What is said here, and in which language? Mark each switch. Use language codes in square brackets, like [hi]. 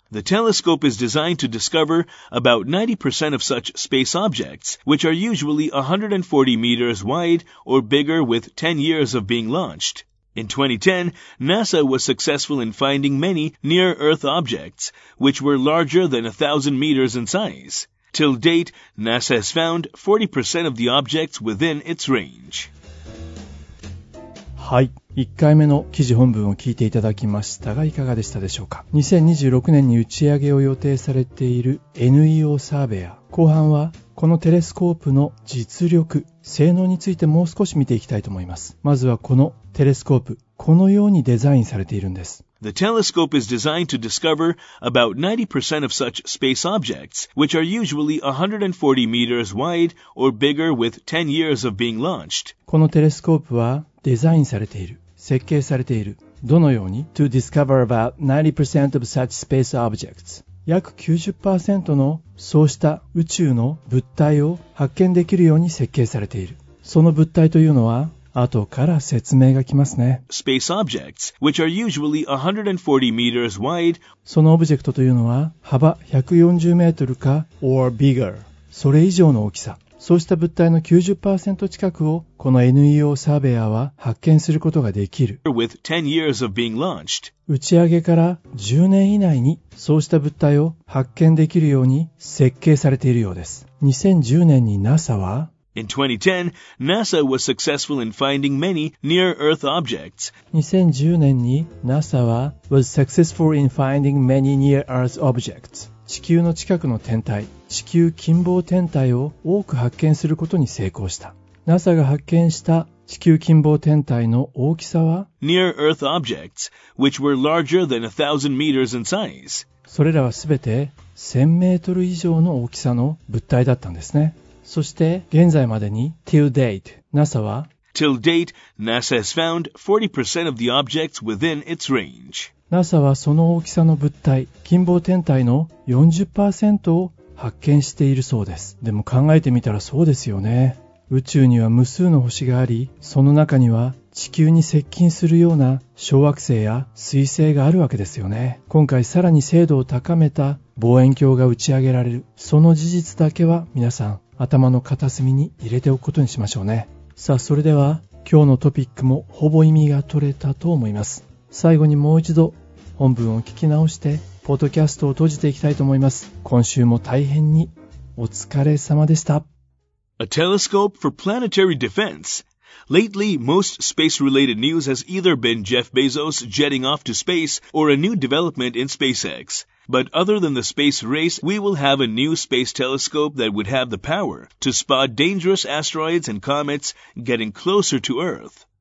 [en] The telescope is designed to discover about 90% of such space objects, which are usually 140 meters wide or bigger with 10 years of being launched. In 2010, NASA was successful in finding many near-Earth objects, which were larger than 1,000 meters in size. Till date, NASA has found 40% of the objects within its range. [ja] はい、1回目の記事本文を聞いていただきましたが、いかがでしたでしょうか。 2026年に打ち上げを予定されている NEO サーベア、後半はこのテレスコープの実力、性能についてもう少し見ていきたいと思います。まずはこのテレスコープ、このようにデザインされているんです。 [en] The telescope is designed to discover about 90% of such space objects, which are usually 140 meters wide or bigger with 10 years of being launched. [ja] このテレスコープはデザインされている、設計されている。どのように? [en] To discover about 90% of such space objects. [ja] 約 90% のそうした宇宙の物体を発見できるように設計されている。その物体というのは、後から説明が来ますね。 [en] Space objects, which are usually 140 meters wide. [ja] そのオブジェクトというのは幅140メートルか [en] or bigger. [ja] それ以上の大きさ。そうした物体の 90% 近くをこの NEO サーベイヤーは発見することができる。 [en] With 10 years of being launched. [ja] 打ち上げから10年以内にそうした物体を発見できるように設計されているようです。 2010年に NASA は [en] In 2010, NASA was successful in finding many near-Earth objects. [ja] 2010年に NASA は [en] was successful in finding many near-Earth objects. [ja] 地球の近くの天体、地球近傍天体を多く発見することに成功した。 NASA が発見した地球近傍天体の大きさは [en] near-Earth objects, which were larger than 1,000 meters in size. [ja] それらはすべて1000メートル以上の大きさの物体だったんですね。そして現在までに [en] till date [ja] NASA は [en] till date NASA has found 40% of the objects within its range. [ja] NASA はその大きさの物体、近傍天体の 40% を発見しているそうです。でも考えてみたらそうですよね。宇宙には無数の星があり、その中には地球に接近するような小惑星や彗星があるわけですよね。今回さらに精度を高めた望遠鏡が打ち上げられる、その事実だけは皆さん頭の片隅に入れておくことにしましょうね。さあ、それでは今日のトピックもほぼ意味が取れたと思います。最後にもう一度本文を聞き直してポッドキャストを閉じていきたいと思います。今週も大変にお疲れ様でした。 [en] A telescope for planetary defense. Lately, most space-related news has either been Jeff Bezos jetting off to space or a new development in SpaceX. But other than the space race, we will have a new space telescope that would have the power to spot dangerous asteroids and comets getting closer to Earth.